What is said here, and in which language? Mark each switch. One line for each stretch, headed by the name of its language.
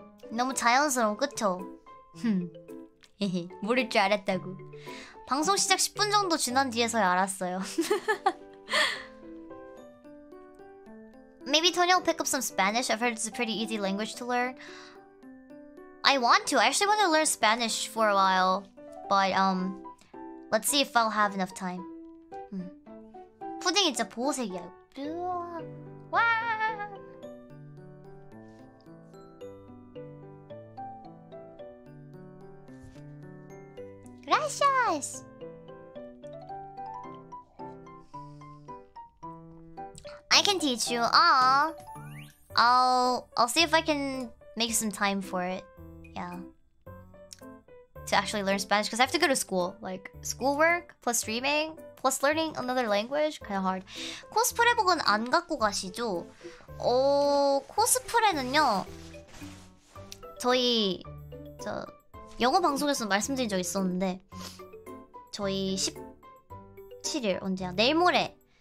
Korean: 너무 자연스러워, 그쵸? 모를 줄 알았다고. 방송 시작 10분 정도 지난 뒤에서야 알았어요.
English: Maybe Tony will pick up some Spanish. I've heard it's a pretty easy language to learn. I want to. I actually want to learn Spanish for a while. But, let's see if I'll have enough time.
Korean: 푸딩 이제 보호색이야. 와! Gracias!
English: can teach you. Ah, I'll see if I can make some time for it. Yeah. To actually learn Spanish, because I have to go to school. Like, schoolwork plus streaming plus learning another language? Kind of hard.
Korean: 코스프레복은 안 갖고 가시죠? 어, 코스프레는요, 저희, 저, 영어 방송에서 말씀드린 적 있었는데, 저희 17일, 언제야? 내일모레!